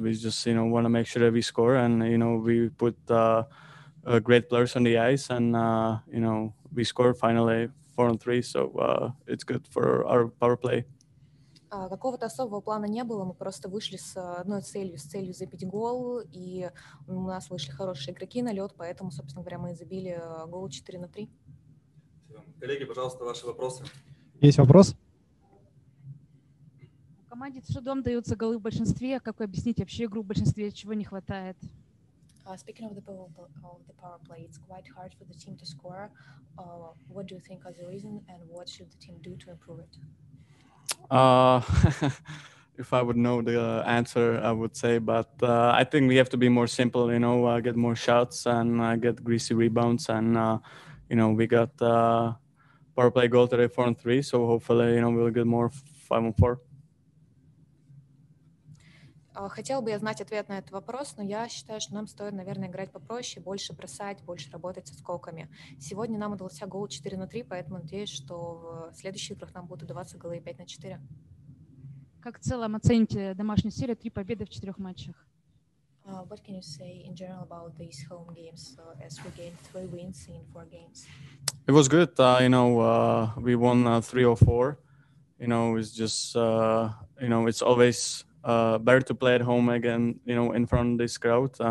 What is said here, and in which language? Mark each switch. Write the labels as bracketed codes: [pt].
[en] We just, want to make sure that we score, and we put great players on the ice, and we score finally. 4-on-3, so it's good for our power play. [ru] Какого-то особого плана не было, мы просто вышли с одной целью, с целью забить гол, и у нас вышли хорошие игроки на лед, поэтому, собственно говоря, мы забили гол 4-on-3. Коллеги, пожалуйста, ваши вопросы. Есть вопрос? В команде с трудом даются голы в большинстве. Как вы объясните вообще игру в большинстве, чего не хватает? [en] Speaking of the power play, it's quite hard for the team to score. What do you think are the reason, and what should the team do to improve it? if I would know the answer, I would say, but I think we have to be more simple. Get more shots and get greasy rebounds, and we got power play goal today 4-on-3. So hopefully, we'll get more 5-on-4. [ru] Хотела бы я знать ответ на этот вопрос, но я считаю, что нам стоит, наверное, играть попроще, больше бросать, больше работать со скоками. Сегодня нам удался гол 4-on-3, поэтому надеюсь, что в следующих играх нам будут удаваться голы 5-on-4. Как в целом оцените домашнюю серию, 3 победы в 4 матчах? [en] What can you say in general about these home games, as we gained 3 wins in 4 games? It was good. We won 3-on-4. It's always better to play at home again, in front of this crowd.